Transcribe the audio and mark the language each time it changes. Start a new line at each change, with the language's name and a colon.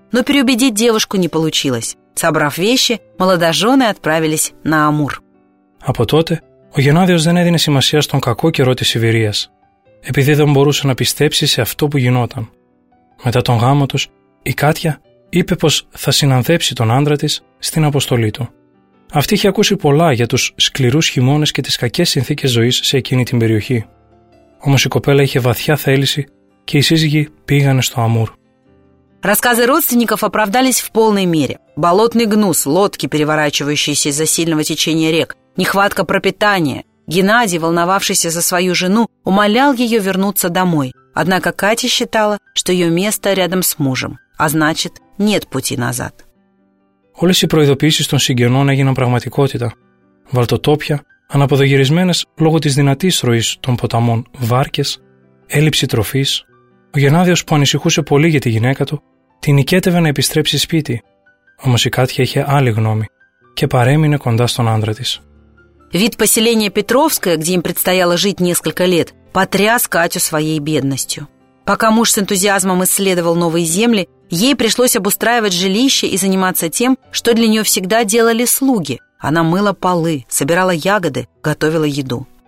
Russian: Но переубедить девушку не получилось. Собрав вещи, молодожены отправились на Амур. А потом
Greek: ο Геннадιος δεν έδινε σημασία στον κακό καιρό της Σιβηρίας, επειδή δεν μπορούσε να πιστέψει σε αυτό που γινόταν. Μετά τον γάμο τους, η Κάτια είπε πως θα συνανδέψει τον άντρα της στην αποστολή του. Αυτή είχε ακούσει πολλά για τους σκληρούς χειμώνες και τις κακές συνθήκες ζωής σε εκείνη την περιοχή. Όμως η κοπέλα είχε βαθιά θέληση και οι σύζυγοι πήγανε στο Αμούρ.
Russian: Рассказы родственников оправдались в полной мере. Болотный гнус, лодки, переворачивающиеся из-за сильного течения рек, нехватка пропитания. Геннадий, волновавшийся за свою жену, умолял ее вернуться домой. Однако Катя считала, что ее место рядом с мужем, а значит, нет пути назад.
Greek: Όλες οι προειδοποιήσεις των συγγενών έγιναν πραγματικότητα. Βαλτοτόπια, αναποδογυρισμένες λόγω της δυνατής ροής των ποταμών, βάρκες, έλλειψη τροφής. Ο Γεννάδιος που ανησυχούσε πολύ για τη γυναίκα του, την νικέτευε να επιστρέψει σπίτι. Όμως η Κάτια είχε άλλη γνώμη και παρέμεινε κοντά στον άντρα της.
Russian: Вид поселения Петровское, где им предстояло жить несколько лет, потряс Катю своей бедностью. Пока муж с энтузиазмом исследовал новые земли, ей пришлось обустраивать жилище и заниматься тем, что для нее всегда делали слуги. Она мыла полы, собирала ягоды, готовила еду.